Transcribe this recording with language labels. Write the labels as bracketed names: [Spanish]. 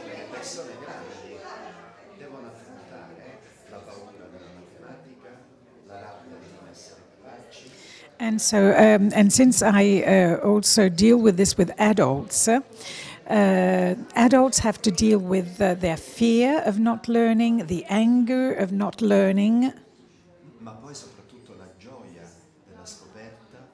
[Italian] Persone grandi devono affrontare la paura della matematica, la rabbia di non essere capaci. [English] And so and since I also deal with this with adults, adults have to deal with their fear of not learning, the anger of not learning. [Italian] Ma poi soprattutto la gioia della scoperta.